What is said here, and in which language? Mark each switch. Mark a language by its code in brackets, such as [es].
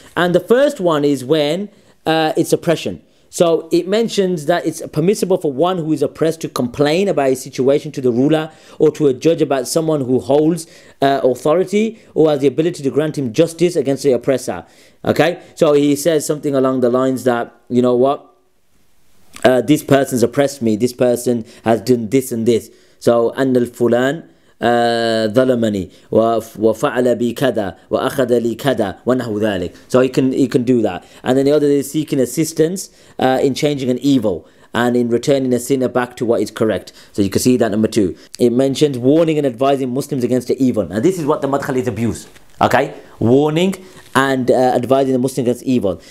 [en] And the first one is when it's oppression. So it mentions that it's permissible for one who is oppressed to complain about a situation to the ruler or to a judge about someone who holds authority or has the ability to grant him justice against the oppressor. Okay, so he says something along the lines that, this person's oppressed me, this person has done this and this. So, and al-fulan [ar] ظلمني وفعل بي كذا وأخذ لي كذا ونحو ذلك. [en] So he can do that. And then the other is seeking assistance in changing an evil and in returning a sinner back to what is correct. So you can see that number two. It mentions warning and advising Muslims against the evil. And this is what the Madkhalis abuse. Okay, warning and advising the Muslim against evil.